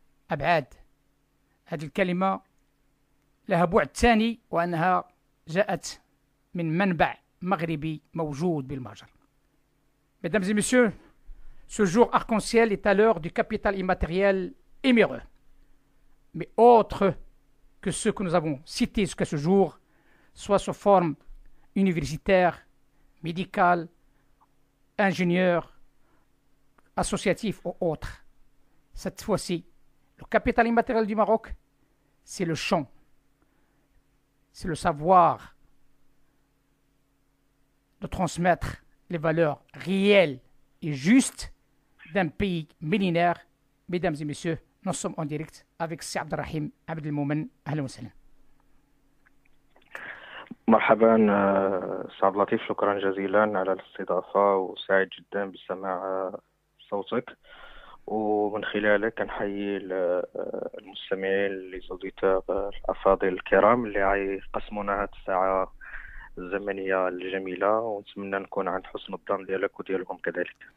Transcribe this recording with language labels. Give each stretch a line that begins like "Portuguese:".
Arabic: أبعاد هذه الكلمة لها بعد ثاني وأنها جاءت من منبع مغربي موجود بالمجر مدامز ومسيو
French: Ce jour arc-en-ciel est à l'heure du capital immatériel éméreux. Mais autre que ceux que nous avons cités jusqu'à ce jour, soit sous forme universitaire, médicale, ingénieur, associatif ou autre. Cette fois-ci, le capital immatériel du Maroc, c'est le chant, c'est le savoir de transmettre les valeurs réelles et justes d'un pays millénaire. Mesdames et messieurs, nous sommes en direct avec Si Abdelrahim Abdelmoumen.
Arabic: Ahlan wa sallam. مرحبا سي عبد اللطيف، شكرا جزيلا على الاستضافه وسعيد جدا بسماع صوتك، ومن خلالك نحيي المستمعين لزوديتور الافاضل الكرام اللي يقسمونا هذه الساعه الزمنيه الجميله، ونتمنى نكون عند حسن الظن ديالك وديالهم كذلك.